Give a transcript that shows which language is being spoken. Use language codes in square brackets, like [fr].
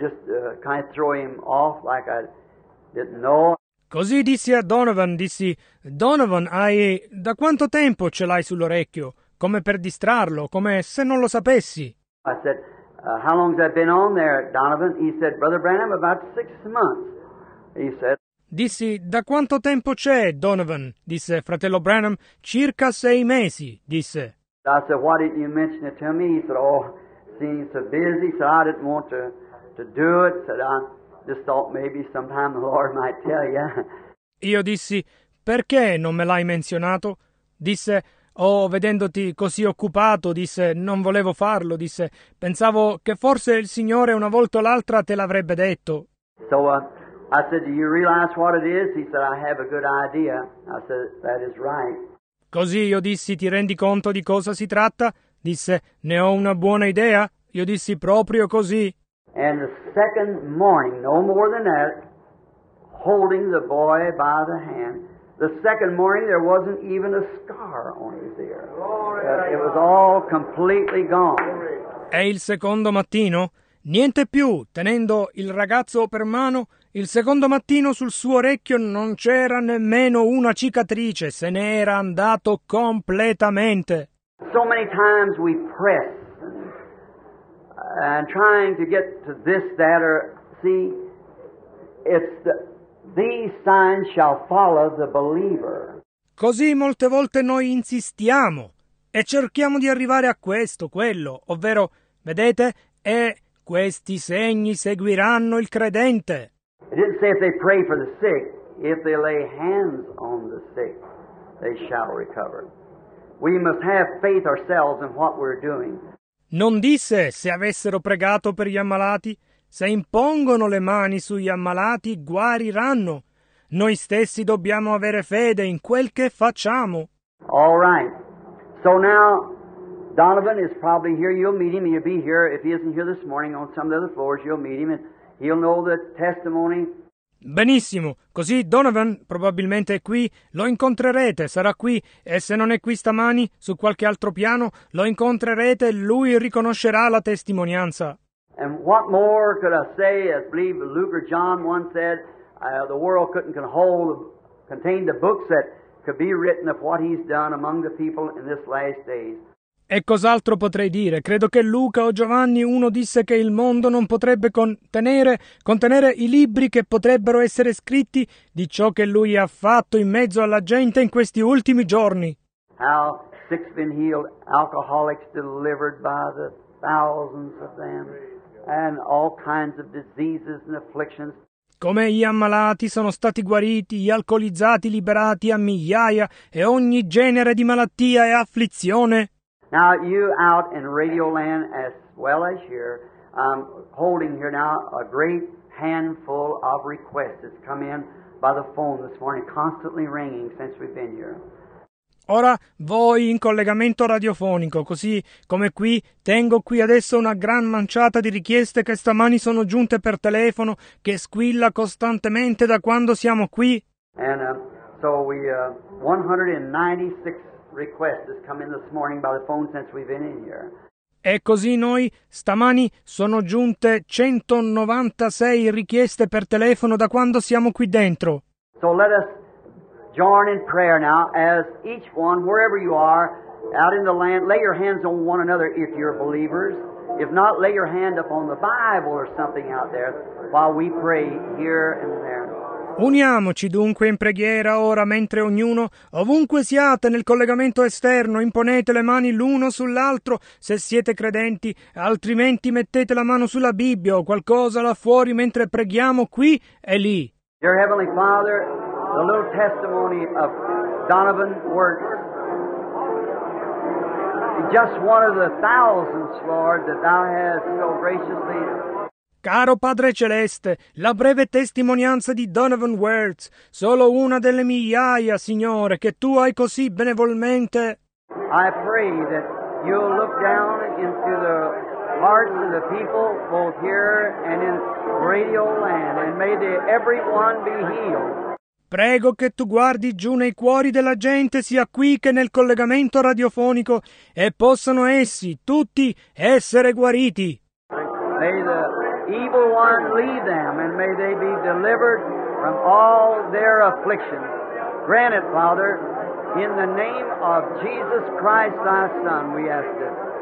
[en] Just kind of throw him off like I didn't know. [it] Così dissi a Donovan, hai... da quanto tempo ce l'hai sull'orecchio? Come per distrarlo, come se non lo sapessi. [en] I said, how long's that been on there, Donovan? He said, Brother Branham, about 6 months, he said. [it] Dissi, da quanto tempo c'è, Donovan? Disse fratello Branham, circa 6 mesi, disse. [en] I said, why didn't you mention it to me? He said, oh, seeing so busy, so I didn't want to do it, said I... just thought maybe sometime the Lord might tell you. [it] Io dissi, perché non me l'hai menzionato? Disse, oh, vedendoti così occupato, disse, non volevo farlo, disse, pensavo che forse il Signore una volta o l'altra te l'avrebbe detto. [en] So I said, do you realize what it is? He said, I have a good idea. I said, that is right. [it] Così io dissi, ti rendi conto di cosa si tratta? Disse, ne ho una buona idea? Io dissi, proprio così. [en] And the second morning, no more than that, holding the boy by the hand, the second morning there wasn't even a scar on his ear. It was all completely gone. [it] E il secondo mattino, niente più, tenendo il ragazzo per mano, il secondo mattino sul suo orecchio non c'era nemmeno una cicatrice, se ne era andato completamente. [en] So many times we press. And trying to get to this, that, or see, it's these signs shall follow the believer. [it] Così molte volte noi insistiamo e cerchiamo di arrivare a questo, quello, ovvero, vedete, e questi segni seguiranno il credente. [en] It didn't say if they pray for the sick, if they lay hands on the sick, they shall recover. We must have faith ourselves in what we're doing. [it] Non disse se avessero pregato per gli ammalati, se impongono le mani sugli ammalati guariranno. Noi stessi dobbiamo avere fede in quel che facciamo. [en] All right. So now Donovan is probably here. You'll meet him. He'll be here. If he isn't here this morning on some of the other floors, you'll meet him and he'll know the testimony. [it] Benissimo, così Donovan probabilmente è qui, lo incontrerete, sarà qui, e se non è qui stamani, su qualche altro piano, lo incontrerete e lui riconoscerà la testimonianza. [en] And what more could I say, as believe Luke or John once said, the world couldn't contain the books that could be written of what he's done among the people in this last days. [it] E cos'altro potrei dire? Credo che Luca o Giovanni uno disse che il mondo non potrebbe contenere i libri che potrebbero essere scritti di ciò che lui ha fatto in mezzo alla gente in questi ultimi giorni. [en] How six been healed, alcoholics delivered by the thousands of them, and all kinds of diseases and afflictions. [it] Come gli ammalati sono stati guariti, gli alcolizzati liberati a migliaia e ogni genere di malattia e afflizione. [en] Now you out in Radioland, as well as here, holding here now a great handful of requests that's come in by the phone this morning, constantly ringing since we've been here. [it] Ora voi in collegamento radiofonico, così come qui, tengo qui adesso una gran manciata di richieste che stamani sono giunte per telefono, che squilla costantemente da quando siamo qui. [en] And so we 196 requests has come in this morning by the phone since we've been in here. [it] E così noi stamani sono giunte 196 richieste per telefono da quando siamo qui dentro. [en] So let us join in prayer now as each one, wherever you are, out in the land, lay your hands on one another if you're believers. If not, lay your hand up on the Bible or something out there while we pray here and there. [it] Uniamoci dunque in preghiera ora mentre ognuno, ovunque siate nel collegamento esterno, imponete le mani l'uno sull'altro se siete credenti, altrimenti mettete la mano sulla Bibbia o qualcosa là fuori mentre preghiamo qui e lì. [en] Dear Heavenly Father, the little testimony of Donovan works. Just one of the thousands, Lord, that thou hast so graciously. [it] Caro Padre Celeste, la breve testimonianza di Donovan Wertz, solo una delle migliaia, Signore, che Tu hai così benevolmente... [en] I pray that you'll look down into the hearts of the people, both here and in Radio Land, and may they, everyone be healed. [it] Prego che Tu guardi giù nei cuori della gente, sia qui che nel collegamento radiofonico, e possano essi, tutti, essere guariti. [en] May the... evil one lead them, and may they be delivered from all their afflictions. Grant it, Father, in the name of Jesus Christ, thy Son, we ask it.